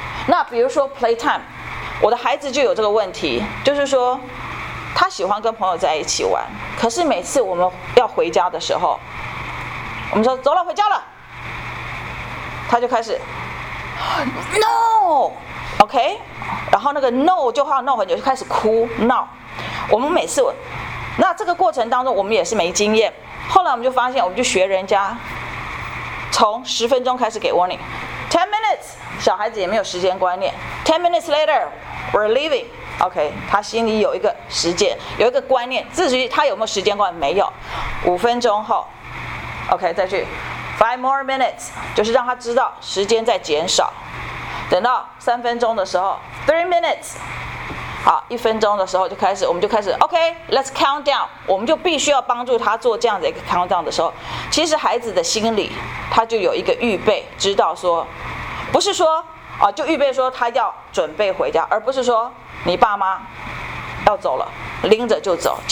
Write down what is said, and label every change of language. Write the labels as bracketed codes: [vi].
[zh] 那比如说 playtime， 我的孩子就有这个问题，就是说他喜欢跟朋友在一起玩，可是每次我们要回家的时候，我们说走了回家了，他就开始 no OK， 然后那个 no 就要 no 很久，就开始哭闹。我们每次那这个过程当中我们也是没经验，后来我们就发现，我们就学人家从十分钟开始给 warning， [en] 10 minutes， [zh] 小孩子也没有时间观念。 [en] 10 minutes later we're leaving。 [zh] OK， 他心里有一个时间，有一个观念，至于他有没有时间观念，没有。五分钟后 OK， 再去 [en] 5 more minutes， [zh] 就是让他知道时间在减少。等到三分钟的时候 [en] 3 minutes， [zh] 好，一分钟的时候就开始，我们就开始 OK， [en] let's count down， [zh] 我们就必须要帮助他做这样的一个 count down 的时候，其实孩子的心里他就有一个预备，知道说不是说就预备说他要准备回家，而不是说你爸妈要走了拎着就走。